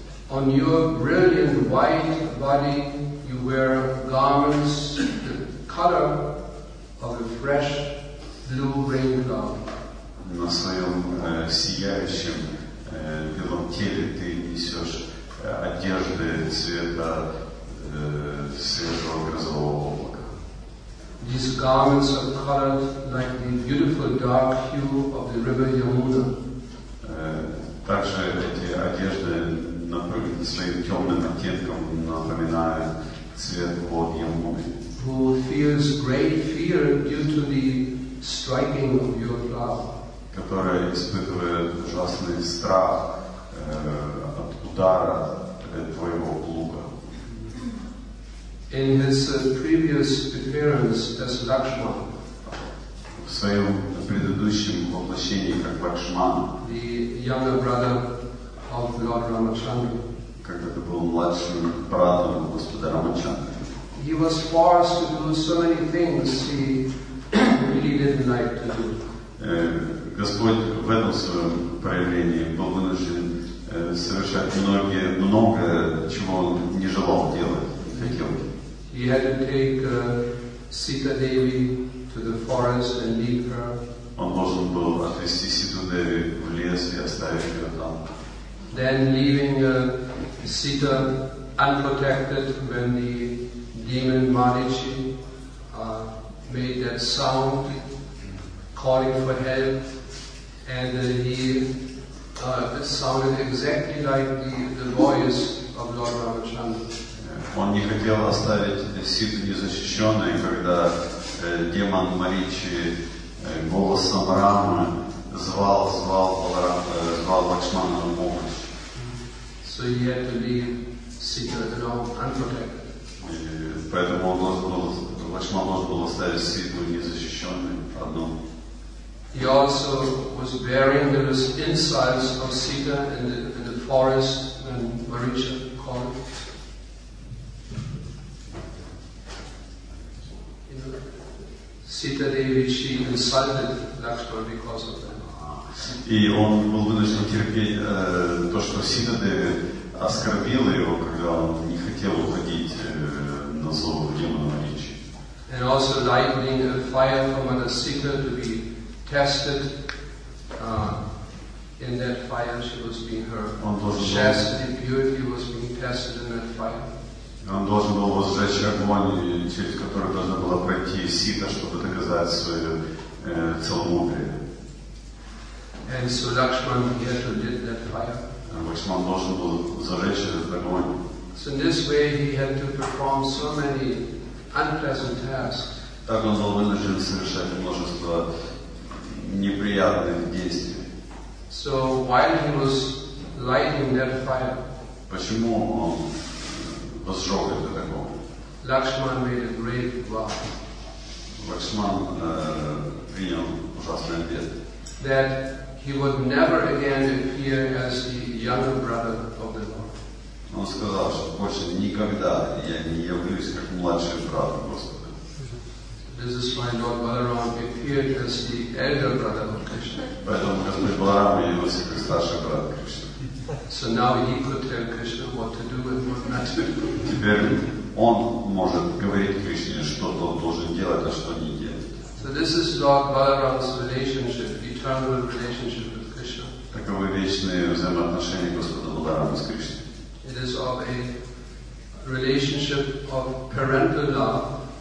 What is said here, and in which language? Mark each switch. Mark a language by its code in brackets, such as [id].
[en] On your brilliant white body you wear garments the color of a fresh blue rain cloud. [ru] На своем сияющем белом теле ты несешь одежды цвета свежего грозового облака. [en] These garments are colored like the beautiful dark hue of the river Yamuna. [ru] Также эти одежды напомнят своим темным оттенком, напоминая цвет вод Ямуны. [en] Who feels great fear due to the striking of your plow. [ru] Которая испытывает ужасный страх от удара твоего плуга. [en] In his previous appearance as Lakshman, [ru] в своем предыдущем воплощении как Лакшман, [en] the younger brother of Lord Ramachandra, [ru] как это было младшим братом господа Рамачандры. [en] He was forced to do so many things he really didn't like to do. [ru] Господь в этом своем проявлении был вынужден совершать много чего он не желал делать, хотел. [en] He had to take Sita Devi to the forest and leave her. [ru] Он должен был отвезти Ситу Деви в лес и оставить ее там. [en] Then leaving Sita unprotected when the demon Marichi made that sound calling for help, and he sounded exactly like the voice of Lord Ramachandra. [ru] Он не хотел оставить Ситу незащищенной, когда демон Маричи голосом Рамы звал Лакшмана на помощь. [en] So he had to leave Sita alone, unprotected. [ru] Поэтому Лакшман должен был оставить Ситу незащищенной одну. [en] He also was bearing the insults of Sita in the forest when Maricha called. Sita Devi, she insulted Lakshman because of that. [ru] И он был вынужден терпеть то, что Сита Деви оскорбила его, когда он не хотел уходить на зов демона Маричи. [en] And also lighting a fire from another Sita to be tested. In that fire she was being hurt. Chastity, beauty was being tested in that fire. [ru] Он должен был возжечь огонь, через который должна была пройти Сита, чтобы доказать свое целомудрие. [en] And so Lakshman had to lit that fire. [ru] Лакшман должен был зажечь этот огонь. [en] So in this way he had to perform so many unpleasant tasks. [ru] Так он был вынужден совершать множество неприятных действий. [en] So while he was lighting that fire, [ru] почему он возжег этот огонь? [en] Lakshman made a great vow. [ru] Лакшман принял ужасный обет. [en] That he would never again appear as the younger brother of the Lord. [ru] Он сказал, что больше никогда я не явлюсь как младший брат Господа. [en] This is why Lord Balaram appeared as the elder brother of Krishna. [ru] Поэтому Господь Баларам явился как старший брат Кришны. [en] So now he could tell Krishna what to do and what not to do. [ru] Теперь он может говорить Кришне, что он должен делать, а что не делать. [en] So this is Lord Balaram's relationship. Relationship with Krishna. [ru] Таковы вечные взаимоотношения Господа Баларама с Кришной. [en] It is of a relationship of parental love.